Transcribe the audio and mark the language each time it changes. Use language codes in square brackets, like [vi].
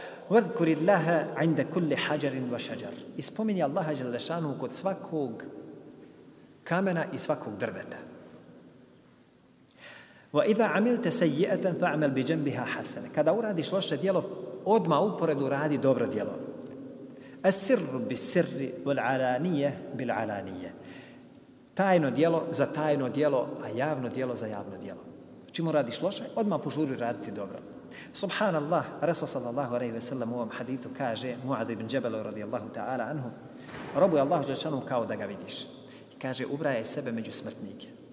[ar] واذكر الله عند كل حجر وشجر. اسبمني الله جل شانه [bs] kod svakog kamena i svakog drveta. [ar] واذا عملت سيئه فاعمل بجنبها حسنه. [bs] Kada uradiš loše djelo, odma uporedu radi dobro djelo. [ar] السر بالسر والعلانيه بالعلانيه. [bs] Tajno djelo za tajno djelo, a javno djelo za javno djelo. Čim uradiš loše, odma požuri raditi dobro. Subhanallah, Rasul sallallahu alejhi ve sellem u ovom hadithu kaže: Mu'ad ibn Jabal radijallahu ta'ala anhu, robuj Allahu dželle šanuhu kao da ga vidiš. I kaže: ubrajaj sebe među smrtnike.